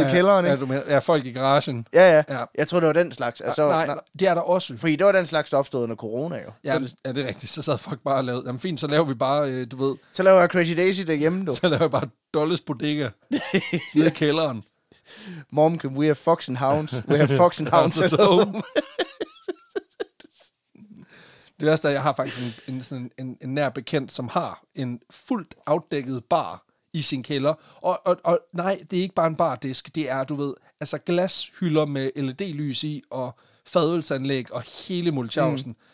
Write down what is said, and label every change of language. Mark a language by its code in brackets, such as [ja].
[da] ja, i kælderen. Ja, du mener, ja, folk i garagen. Ja, ja, ja. Jeg tror, det var den slags. Altså, nej, det er der også. Fordi det var den slags, der opstod under corona jo. Ja, det er rigtigt. Så sad folk bare og lavede, jamen fint, så laver vi bare, du ved. Så laver jeg Crazy Daisy derhjemme, du. Så laver jeg bare Dolles Bodega nede i kælderen. [en] Mom, can we have fox and hounds? We have fox and hounds at home. [da] Det værste er, jeg har faktisk en nær bekendt, som har en fuldt afdækket bar i sin kælder. Og nej, det er ikke bare en bardisk. Det er, du ved, altså glashylder med LED-lys i, og fadølsanlæg, og hele multiausen. Mm.